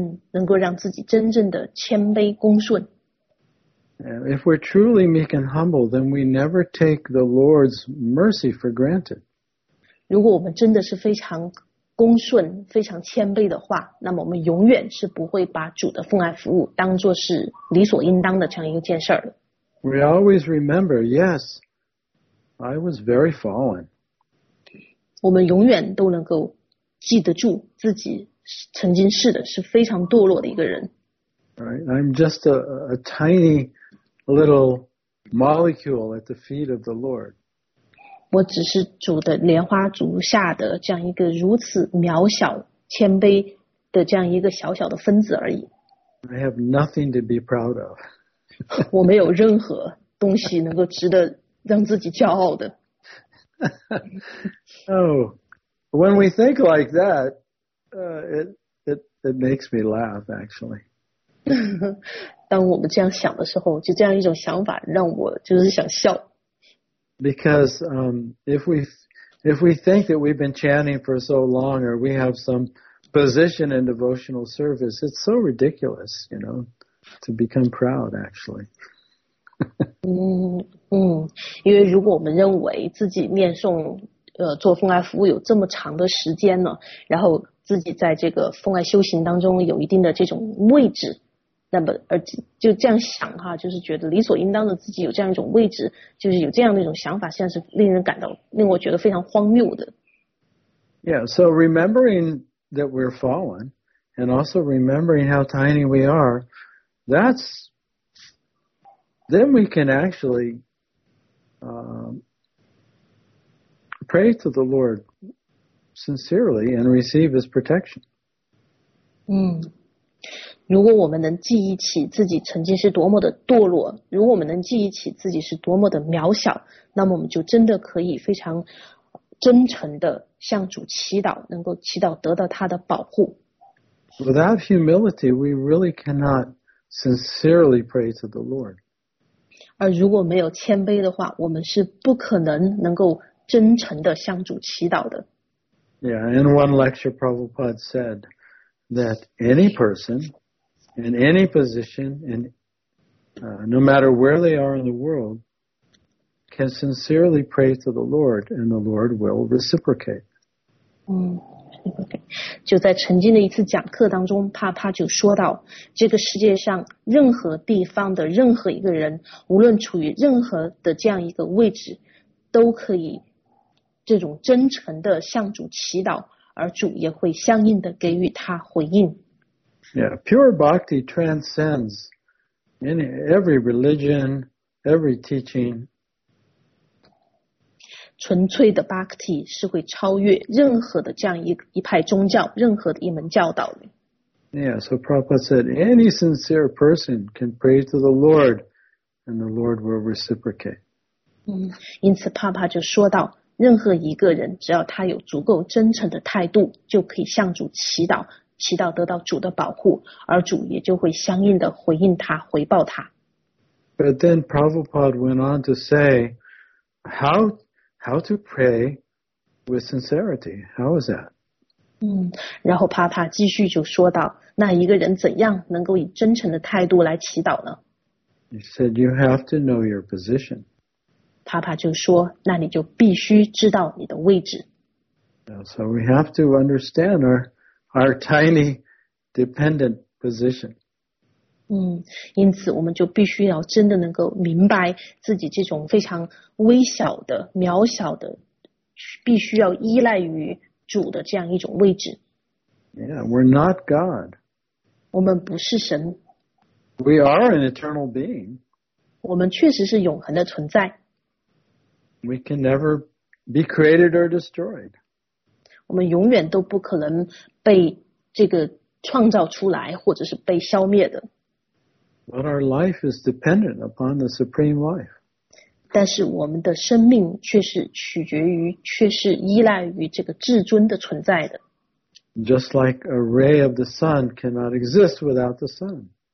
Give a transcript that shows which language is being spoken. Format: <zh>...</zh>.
<zh>能够让自己真正的谦卑恭顺。</zh> <en>If we're truly meek and humble, then we never take the Lord's mercy for granted.</en> <zh>如果我们真的是非常恭顺、非常谦卑的话，那么我们永远是不会把主的奉爱服务当作是理所应当的这样一件事儿的。</zh> <en>We always remember, yes, I was very fallen.</en> <zh>我们永远都能够记得住自己曾经是的是非常堕落的一个人。</zh> <en>Right, I'm just a tiny little molecule at the feet of the Lord.</en> <zh>我只是主的莲花足下的这样一个如此渺小谦卑的这样一个小小的分子而已。</zh> <en>I have nothing to be proud of.</en> <zh>我没有任何东西能够值得让自己骄傲的。</zh> <en>Oh, when we think like that, it makes me laugh, actually.</en> <zh>当我们这样想的时候，就这样一种想法让我就是想笑。</zh> <en>Because if we think that we've been chanting for so long or we have some position in devotional service, it's so ridiculous, you know, to become proud, actually.</en> <zh>因为如果我们认为自己念诵做奉爱服务有这么长的时间呢，然后自己在这个奉爱修行当中有一定的这种位置，那么而就这样想哈，就是觉得理所应当的自己有这样一种位置，就是有这样的一种想法，现在是令人感到令我觉得非常荒谬的。</zh> <en>Yeah, so remembering that we're fallen, and also remembering how tiny we are, that's then we can actually pray to the Lord sincerely and receive His protection.</en> <zh>如果我们能记忆起自己曾经是多么的堕落，如果我们能记忆起自己是多么的渺小，那么我们就真的可以非常真诚地向主祈祷，能够祈祷得到他的保护。</zh> <en>Without humility, we really cannot sincerely pray to the Lord.</en> <zh>而如果没有谦卑的话，我们是不可能能够真诚地向主祈祷的。</zh> <en>Yeah, in one lecture, Prabhupada said that any person in any position, in, no matter where they are in the world, can sincerely pray to the Lord, and the Lord will reciprocate. Okay.</en> <zh>就在曾经的一次讲课当中，他就说到，这个世界上任何地方的任何一个人，无论处于任何的这样一个位置，都可以这种真诚的向主祈祷，而主也会相应的给予他回应。</zh> <en>Yeah, pure bhakti transcends every religion, every teaching.</en> <zh>纯粹的 bhakti 是会超越任何的这样一派宗教，任何的一门教导的。</zh> <en>Yeah, so Prabhupada said, any sincere person can pray to the Lord, and the Lord will reciprocate.</en> <zh>因此帕帕就说到，任何一个人只要他有足够真诚的态度，就可以向主祈祷，祈祷得到主的保护，而主也就会相应的回应他，回报他。</zh> <en>But then Prabhupada went on to say, how to pray with sincerity? How is that?</en> <zh>然后帕帕继续就说道，那一个人怎样能够以真诚的态度来祈祷呢？</zh> <en>He said, you have to know your position.</en> <zh>帕帕就说，那你就必须知道你的位置。</zh> <en>So we have to understand our tiny dependent position.</en> <zh>因此我们就必须要真的能够明白自己这种非常微小的、渺小的，必须要依赖于主的这样一种位置。</zh> <en>Yeah, we're not God.</en> <zh>我们不是神。</zh> <en>We are an eternal being.</en> <zh>我们确实是永恒的存在。</zh> <en>We can never be created or destroyed.</en> <zh>我们永远都不可能被这个创造出来或者是被消灭的。</zh> <en>But our life is dependent upon the supreme life.</en> <zh>但是我们的生命却是取决于却是依赖于这个至尊的存在的。</zh> <en>Just like a ray of the sun cannot exist without the sun.</en>